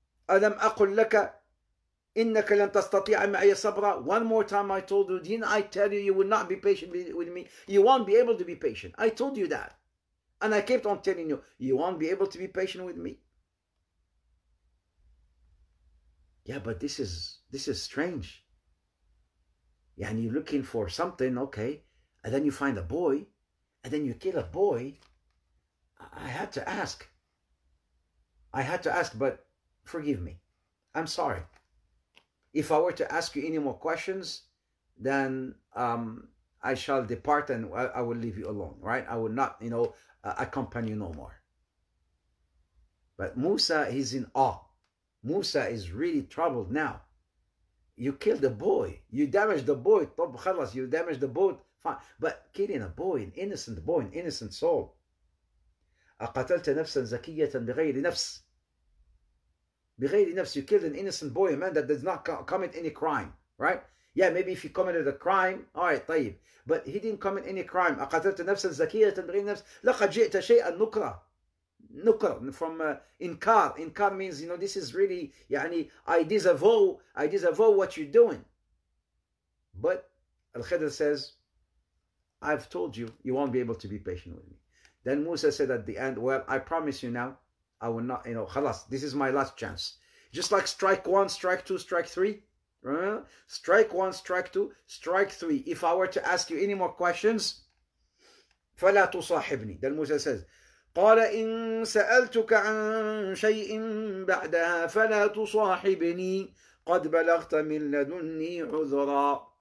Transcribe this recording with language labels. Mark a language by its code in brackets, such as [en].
[ar] ألم أقل لك إنك لن تستطيع معي صبرا. [en] One more time I told you, didn't I tell you will not be patient with me? You won't be able to be patient. I told you that. And I kept on telling you, you won't be able to be patient with me. Yeah, but this is strange. Yeah, and you're looking for something, okay. And then you find a boy. And then you kill a boy. I had to ask, but forgive me. I'm sorry. If I were to ask you any more questions, then I shall depart and I will leave you alone, right? I will not, you know, accompany you no more. But Musa is in awe. Musa is really troubled now. You killed a boy. You damaged the boy. Top khalas, you damaged the boat. Fine. But killing a boy, an innocent soul. [ar] أقتلت نفسا زكية بغير نفس. بغير نفس, [en] you killed an innocent boy, a man that does not commit any crime, right? Yeah, maybe if he committed a crime, all right, طيب. But he didn't commit any crime. [ar] أقتلت نفسا زكية بغير نفس. لقد جئت شيئا نكرا. نكرا [en] from [ar] إنكار. [en] إنكار means, you know, this is really, يعني, I disavow what you're doing. But Al-Khidr says, I've told you, you won't be able to be patient with me. Then Musa said at the end, well, I promise you now, I will not, you know, khalas, this is my last chance. Just like strike one, strike two, strike three. Strike one, strike two, strike three. If I were to ask you any more questions, [ar] فلا تصاحبني. [en] Then Musa says, [ar] قال إن سألتك عن شيء بعدها فلا تصاحبني قد بلغت من لدني عذرا.